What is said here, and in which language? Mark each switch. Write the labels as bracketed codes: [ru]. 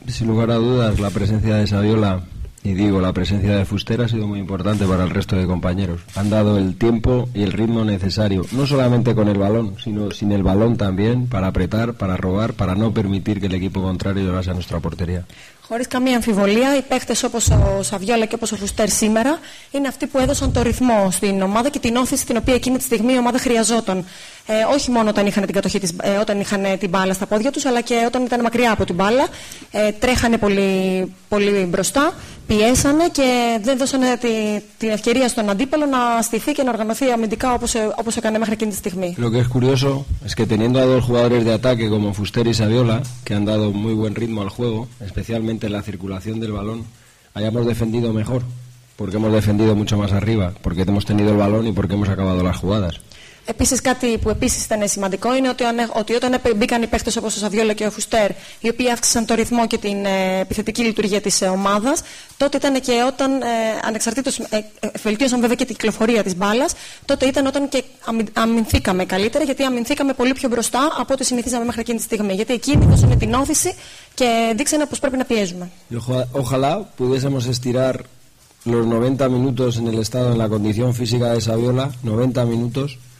[es] Sin lugar a dudas, la presencia de Saviola... Y digo, la presencia de Fuster ha sido muy importante para el resto de compañeros. Han dado el tiempo y el ritmo necesario, no solamente con el balón, sino sin el balón también, para apretar, para robar, para no permitir que el equipo contrario llegase a nuestra portería. [el] Χωρίς καμία αμφιβολία, οι παίχτες όπως ο Σαβιόλα και όπως ο Φουστέρ σήμερα είναι αυτοί που έδωσαν το ρυθμό στην ομάδα και την όθηση την οποία εκείνη τη στιγμή η ομάδα χρειαζόταν. Όχι μόνο όταν είχαν την κατοχή της, όταν είχαν την μπάλα στα πόδια τους, αλλά και όταν ήταν μακριά από την μπάλα. Τρέχανε πολύ, πολύ μπροστά, πιέσανε και δεν δώσανε την ευκαιρία στον αντίπαλο να στηθεί και να οργανωθεί αμυντικά όπως έκανε μέχρι εκείνη τη στιγμή. [es] Lo que es curioso es que teniendo a dos jugadores de ataque como Fuster y Saviola, que han dado muy buen ritmo al juego, especialmente la circulación del balón, hayamos defendido mejor, porque hemos defendido mucho más arriba, porque hemos tenido el balón y porque hemos acabado las jugadas. [el] Επίσης κάτι που επίσης ήταν σημαντικό είναι ότι όταν μπήκαν οι παίχτες όπως ο Σαβιόλα και ο Φουστέρ, οι οποίοι αύξησαν το ρυθμό και την επιθετική λειτουργία της ομάδας, τότε ήταν και όταν ανεξαρτήτως βελτίωσαν βέβαια και την κυκλοφορία της μπάλας, τότε ήταν όταν και αμυνθήκαμε καλύτερα, γιατί αμυνθήκαμε πολύ πιο μπροστά από ό,τι συνηθίζαμε μέχρι εκείνη τη στιγμή. Γιατί εκεί δώσαμε την όθηση και δείξανε πως πρέπει να πιέζουμε. [es] Ojalá pudiésemos estirar los 90 minutos en el estado, en la condición física de Saviola, 90 minutos.